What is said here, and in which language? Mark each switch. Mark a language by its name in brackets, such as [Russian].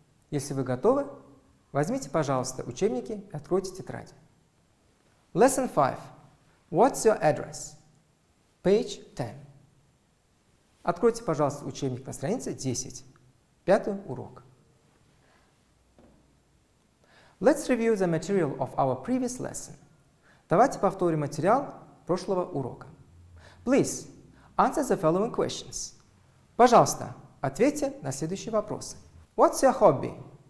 [Russian] Если вы готовы, возьмите, пожалуйста, учебники и откройте тетради. [English] Lesson 5. What's your address? Page 10. [Russian] Откройте, пожалуйста, учебник на странице 10. Пятый урок. [English] Let's review the material of our previous lesson. [Russian] Давайте повторим материал прошлого урока. [English] Please, answer the following questions. [Russian] Пожалуйста, ответьте на следующие вопросы. [English] What's your hobby?